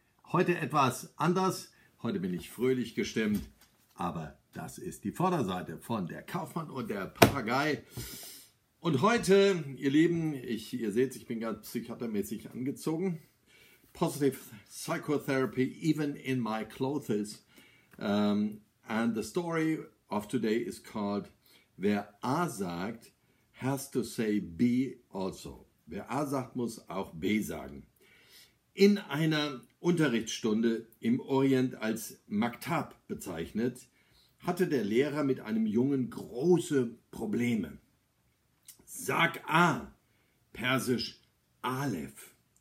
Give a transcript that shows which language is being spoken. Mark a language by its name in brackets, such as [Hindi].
[German] Heute etwas anders, heute bin ich fröhlich gestimmt, aber das ist die Vorderseite von der Kaufmann und der Papagei. Und heute, ihr Lieben, ihr seht, ich bin ganz psychiatermäßig angezogen. [English] Positive Psychotherapy, even in my clothes. And the story of today is called [German] Wer A sagt, [English] has to say B also. [German] Wer A sagt, muss auch B sagen. In einer Unterrichtsstunde im Orient als Maktab bezeichnet, hatte der Lehrer mit einem Jungen große Probleme. Sag A, persisch Aleph.